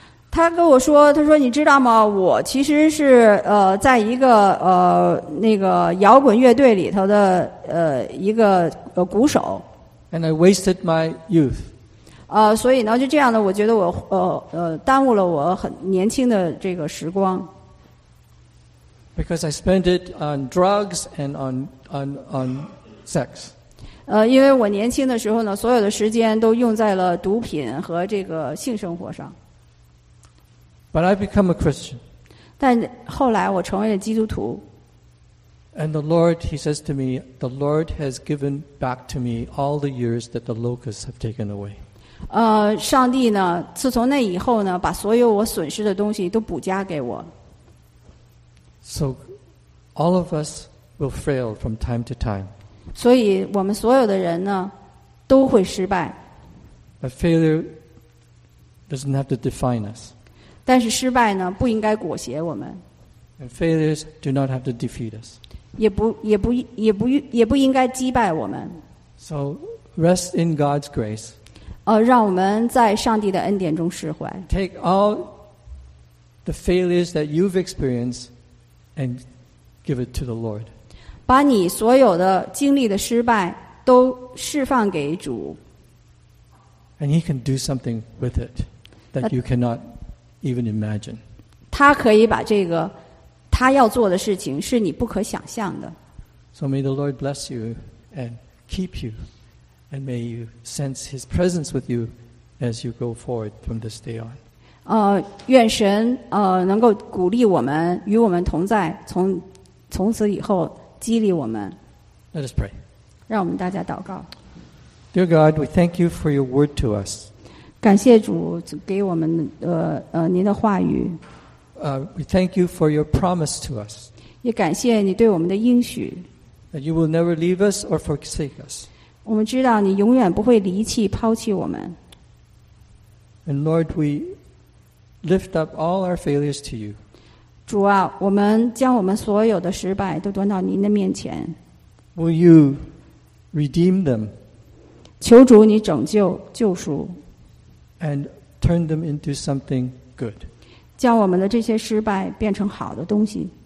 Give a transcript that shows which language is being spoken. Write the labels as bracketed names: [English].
[Chinese] 他跟我说，他说你知道吗？我其实是在一个那个摇滚乐队里头的一个鼓手。 [English] And I wasted my youth. [Chinese] 所以呢，就这样的，我觉得我耽误了我很年轻的这个时光。 [English] Because I spent it on drugs and on sex. [Chinese] 因为我年轻的时候呢，所有的时间都用在了毒品和这个性生活上。 [English] But I became a Christian. [Chinese] 但后来我成为了基督徒。 [English] And the Lord, he says to me, the Lord has given back to me all the years that the locusts have taken away. [Chinese] 上帝呢，自从那以后呢，把所有我损失的东西都补加给我。 [English] So all of us will fail from time to time. [Chinese] 所以我们所有的人呢，都会失败。 [English] A failure doesn't have to define us. [Chinese] 但是失败呢，不应该裹挟我们。 [English] And failures do not have to defeat us. [Chinese] 也不应该击败我们。 [English] So rest in God's grace. [Chinese] 让我们在上帝的恩典中释怀。 [English] Take all the failures that you've experienced and give it to the Lord. [Chinese] 把你所有的经历的失败都释放给主。 [English] And He can do something with it that you cannot even imagine. [Chinese] 他可以把这个。他要做的事情是你不可想象的。 [English] So may the Lord bless you and keep you, and may you sense His presence with you as you go forward from this day on. [Chinese] 愿神能够鼓励我们，与我们同在，从此以后激励我们。 [English] Let us pray. [Chinese] 让我们大家祷告。 [English] Dear God, we thank you for your word to us. [Chinese] 感谢主给我们您的话语。 [English] We thank you for your promise to us. [Chinese] 也感谢你对我们的应许。 [English] That you will never leave us or forsake us. [Chinese] 我们知道你永远不会离弃抛弃我们。 [English] And Lord, we lift up all our failures to you. [Chinese] 主啊，我们将我们所有的失败都端到您的面前。 [English] Will you redeem them? [Chinese] 求主你拯救救赎。 [English] And turn them into something good. [Chinese] 将我们的这些失败变成好的东西。